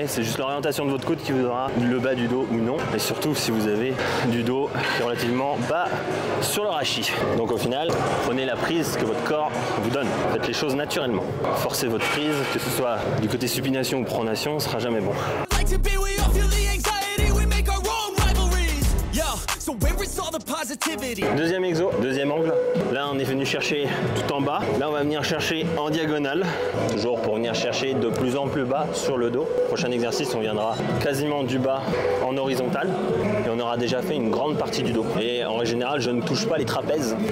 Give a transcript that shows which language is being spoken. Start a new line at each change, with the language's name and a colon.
French: C'est juste l'orientation de votre coude qui vous aura le bas du dos ou non. Et surtout si vous avez du dos qui est relativement bas sur le rachis. Donc au final, prenez la prise que votre corps vous donne. Faites les choses naturellement. Forcer votre prise, que ce soit du côté supination ou pronation, ne sera jamais bon.
English: Like to be, we all feel the anxiety, we make our own rivalries. Yeah, so where is all the positive?
French: Deuxième exo, deuxième angle. Là, on est venu chercher tout en bas. Là, on va venir chercher en diagonale. Toujours pour venir chercher de plus en plus bas sur le dos. Prochain exercice, on viendra quasiment du bas en horizontal. Et on aura déjà fait une grande partie du dos. Et en général, je ne touche pas les trapèzes.